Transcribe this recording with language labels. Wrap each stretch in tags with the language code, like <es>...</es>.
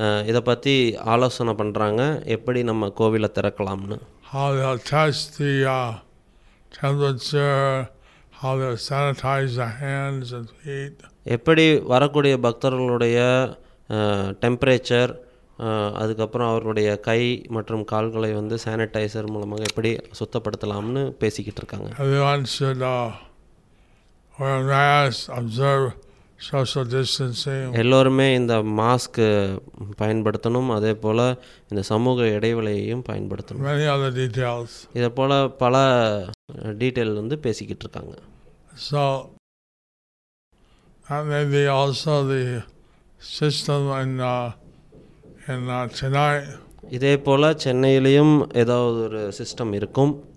<ta>இதை பற்றி ஆலோசனை பண்ணுறாங்க, எப்படி நம்ம கோவிலை திறக்கலாம்னு.</ta> <en>How they test the temperature, how they sanitize the hands and feet.</en> <ta>எப்படி வரக்கூடிய பக்தர்களுடைய டெம்பரேச்சர், அதுக்கப்புறம் அவருடைய கை மற்றும் கால்களை வந்து சானிடைசர் மூலமாக எப்படி சுத்தப்படுத்தலாம்னு பேசிக்கிட்டு இருக்காங்க.</ta> <en>Everyone should wear a mask, observe social distancing.</en> <ta>எல்லோருமே இந்த மாஸ்க் பயன்படுத்தணும், அதே போல் இந்த சமூக இடைவெளியையும் பயன்படுத்தணும்.</ta> <en>Many other details.</en> <ta>இதை போல் பல டீட்டெயில் வந்து பேசிக்கிட்டு இருக்காங்க.</ta> <en>So, and then they also the system and Chennai.</en> <ta>இதே போல் சென்னையிலையும் ஏதாவது ஒரு சிஸ்டம் இருக்கும்.</ta>